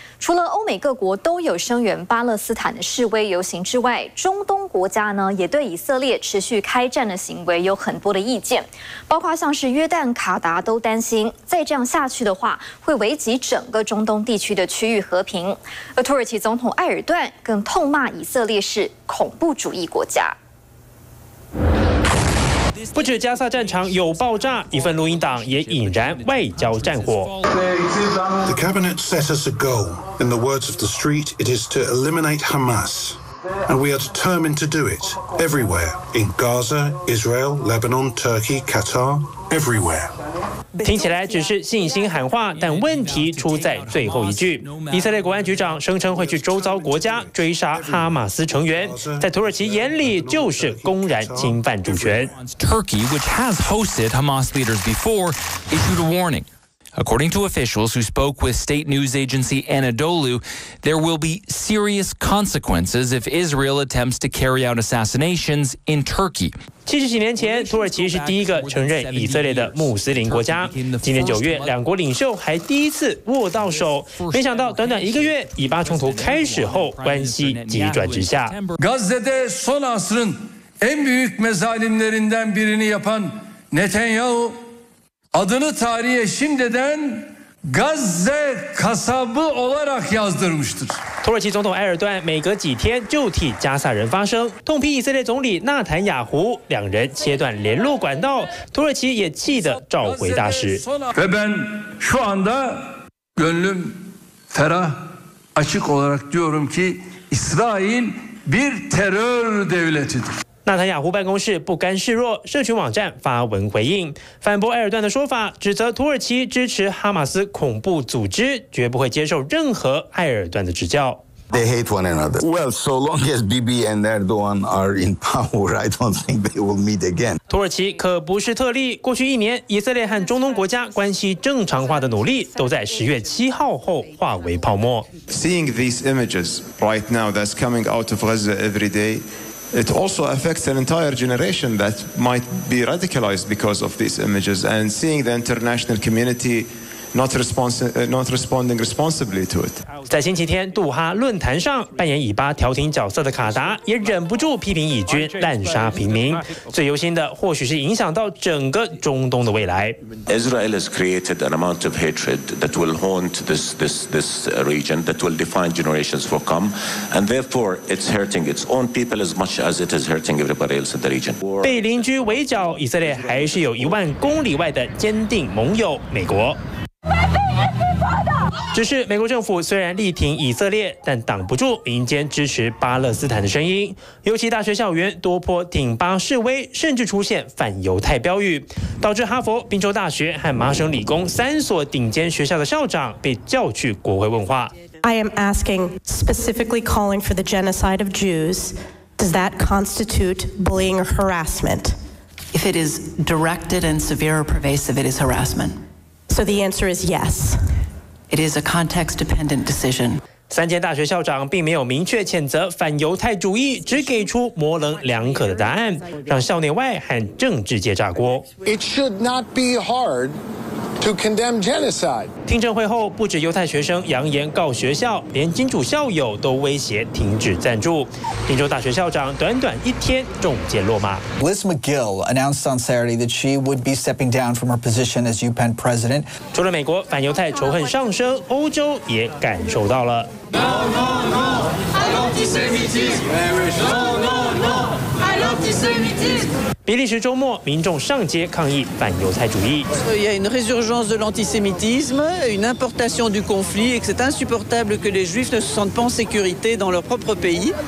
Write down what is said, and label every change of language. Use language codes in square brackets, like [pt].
[zh] 除了欧美各国都有声援巴勒斯坦的示威游行之外，中东国家呢也对以色列持续开战的行为有很多的意见，包括像是约旦、卡达都担心再这样下去的话会危及整个中东地区的区域和平。而土耳其总统埃尔段更痛骂以色列是恐怖主义国家。不止加萨战场有爆炸，一份录音档也引燃外交战火。 [en] The cabinet set us a goal. In the words of the street, it is to eliminate Hamas, and we are determined to do it everywhere in Gaza, Israel, Lebanon, Turkey, Qatar, everywhere. [zh] 听起来只是信心喊话，但问题出在最后一句。以色列国安局长声称会去周遭国家追杀哈马斯成员，在土耳其眼里就是公然侵犯主权。 [en] Turkey, which has hosted Hamas leaders before, issued a warning. According to officials who spoke with state news agency Anadolu, there will be serious consequences if Israel attempts to carry out assassinations in Turkey. [zh] 70几年前，土耳其是第一个承认以色列的穆斯林国家。今年9月，两国领袖还第一次握到手。没想到，短短一个月，以巴冲突开始后，关系急转直下。 [tr] Gazze'de son asrın en büyük mezalimlerinden birini yapan Netanyahu adını tarihe şimdiden Gazze kasabı olarak yazdırmıştır. [zh] 土耳其总统埃尔段每隔几天就替加萨人发声，痛批以色列总理纳坦雅胡，两人切断联络管道。土耳其也气得召回大使。 [tr] Ve ben şu anda gönlüm ferah açık olarak diyorum ki İsrail bir terör devletidir. [zh] 纳坦雅胡办公室不甘示弱，社群网站发文回应，反驳埃尔段的说法，指责土耳其支持哈马斯恐怖组织，绝不会接受任何埃尔段的指教。 [en] They hate one another. Well, so long as Bibi and Erdogan are in power, I don't think they will meet again. [zh] 土耳其可不是特例。过去一年，以色列和中东国家关系正常化的努力都在10月7号后化为泡沫。 [en] Seeing these images right now that's coming out of Gaza every day, it also affects an entire generation that might be radicalized because of these images. And seeing the international community. Not responding responsibly to it. [zh] 在星期天杜哈论坛上扮演以巴调停角色的卡达也忍不住批评以军滥杀平民。最忧心的或许是影响到整个中东的未来。 Israel has created an amount of hatred that will haunt this region that will define generations for come, and therefore it's hurting its own people as much as it is hurting everybody else in the region. 被邻居围剿，以色列还是有一万公里外的坚定盟友美国。只是美国政府虽然力挺以色列，但挡不住民间支持巴勒斯坦的声音。尤其大学校园多波挺巴示威，甚至出现反犹太标语，导致哈佛、宾州大学和麻省理工三所顶尖学校的校长被叫去国会问话。 [en] I am asking specifically calling for the genocide of Jews. Does that constitute bullying or harassment? If it is directed and severe or pervasive, it is harassment. So the answer is yes. It is a context-dependent decision. [zh] 三间大学校长并没有明确谴责反犹太主义，只给出模棱两可的答案，让校内外和政治界炸锅。 [en] It should not be hard to condemn genocide. [zh] 听证会后，不止犹太学生扬言告学校，连金主校友都威胁停止赞助。宾州大学校长短短一天中箭落马。 [en] Liz McGill announced on Saturday that she would be stepping down from her position as UPenn president. [zh] 除了美国反犹太仇恨上升，欧洲也感受到了。比利时周末，民众上街抗议反犹太主义。 [fr] Il y a une résurgence de l'antisémitisme, une importation du conflit, et c'est insupportable que les Juifs ne se sentent pas en sécurité dans leur propre pays.